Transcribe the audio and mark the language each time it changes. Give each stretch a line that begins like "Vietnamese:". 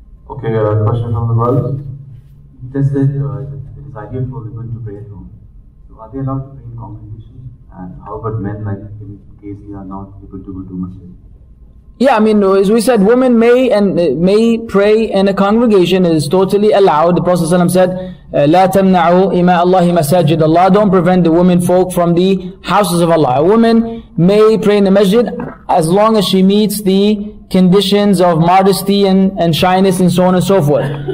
English: Okay, question from the world. This is it is ideal for women to pray at home. So are they allowed to pray in congregation? And how about men, like in case they are not able to go to masjid? Yeah, I mean, as we said, women may pray in a congregation. It is totally allowed.
Arabic: The Prophet ﷺ said, لا تمنعوا إماء الله مساجد الله.
English: Don't prevent the women folk from the houses of Allah. A woman may pray in the masjid as long as she meets the conditions of modesty and shyness and so on and so forth.